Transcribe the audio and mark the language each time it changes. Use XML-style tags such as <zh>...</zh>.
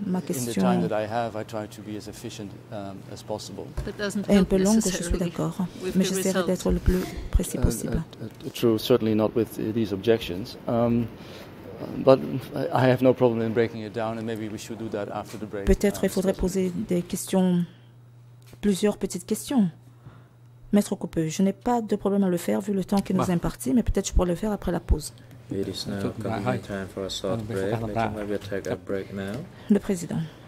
<fr>Ma question est un peu longue, je suis d'accord, mais j'essaierai d'être le plus précis possible.</fr> <en>True, certainly not with these objections. But I have no problem in breaking it down, and maybe we should do that after the break.</en> <fr>Peut-être il faudrait poser des questions, plusieurs petites questions. Maître Coupeux, je n'ai pas de problème à le faire vu le temps qui nous est imparti, mais peut-être je pourrais le faire après la pause.</fr> <en>It is now coming time for a short break. Maybe we'll take a break now.</en> <fr>Le président.</fr>